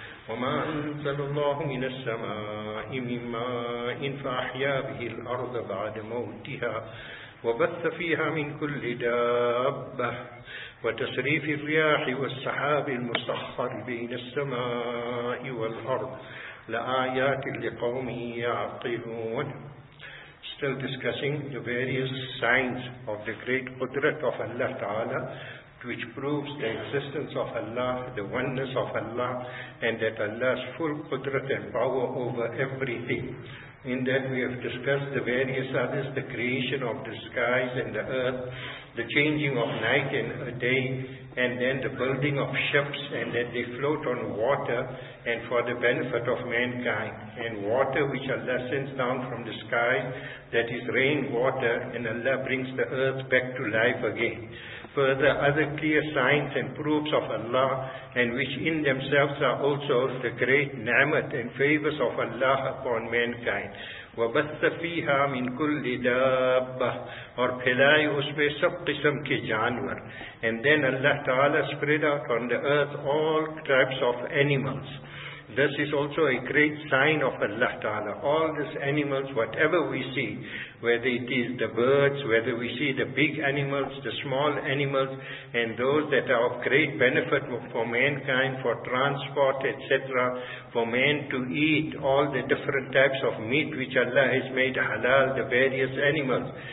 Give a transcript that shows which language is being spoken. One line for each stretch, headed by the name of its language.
Arabic: وما أنزل الله من السماء من ماء فأحيا به الأرض بعد موتها وبث فيها من كل دابة وتصريف الرياح والسحاب المسخر بين السماء والأرض لآيات لقوم يعقلون.
English: Still discussing the various signs of the great Qudrat of Allah Ta'ala, which proves the existence of Allah, the oneness of Allah, and that Allah's full Qudrat and power over everything. In that we have discussed the various others, the creation of the skies and the earth, the changing of night and day, and then the building of ships, and that they float on water, and for the benefit of mankind. And water which Allah sends down from the sky, that is rain water, and Allah brings the earth back to life again. Further, other clear signs and proofs of Allah, and which in themselves are also the great ni'mat and favors of Allah upon mankind.
Arabic: وَبَثَّ فِيهَا مِنْ كُلِّ دَابَّةٍ
Urdu: اور پھیلائے اس میں سب قسم کے جانور.
English: And then Allah Ta'ala spread out on the earth all types of animals. This is also a great sign of Allah Ta'ala. All these animals, whatever we see, whether it is the birds, whether we see the big animals, the small animals, and those that are of great benefit for mankind, for transport, etc., for man to eat, all the different types of meat which Allah has made halal, the various animals.